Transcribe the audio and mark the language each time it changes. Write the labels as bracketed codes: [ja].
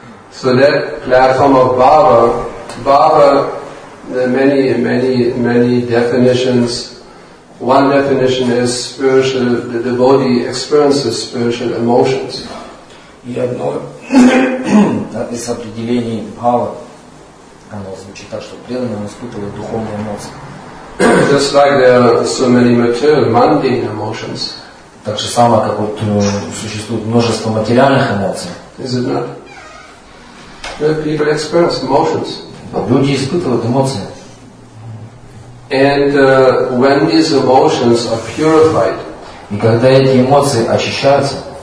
[en] So that platform of Baba, there are many definitions. One definition is spiritual, the devotee experiences spiritual emotions. [ru] И одно из определений Бхавы, оно звучит так, что преданный испытывает духовные эмоции. [en] Just like there are so many material, mundane emotions. [ru] Так же самое, как вот существует множество материальных эмоций. [en] Is it not? People experience emotions. [ru] Люди испытывают эмоции. [en] And when these emotions are purified, [ru] и когда эти эмоции очищаются,